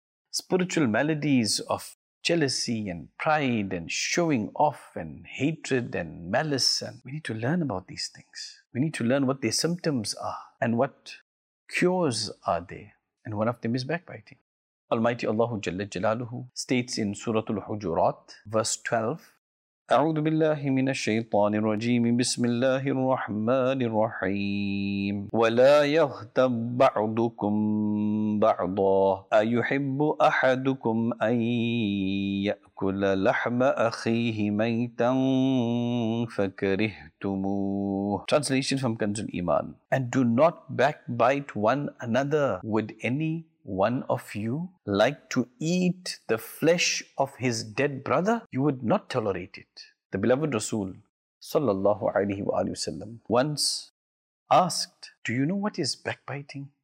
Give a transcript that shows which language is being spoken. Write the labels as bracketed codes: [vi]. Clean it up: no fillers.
[en] Spiritual maladies of jealousy and pride and showing off and hatred and malice. And we need to learn about these things. We need to learn what their symptoms are and what cures are there. And one of them is backbiting. Almighty Allah Jalla Jalaluhu states in Surah Al-Hujurat, verse 12, [ar] أعوذ بالله من الشيطان الرجيم بسم الله الرحمن الرحيم ولا يغتب بعضكم بعضا أيحب أحدكم أن يأكل لحم أخيه ميتا فكرهتموه. [en] Translation from Kanz al-Iman. And do not backbite one another. Would any one of you like to eat the flesh of his dead brother? You would not tolerate it. The beloved Rasul sallallahu alayhi wa alayhi wa sallam once asked, do you know what is backbiting?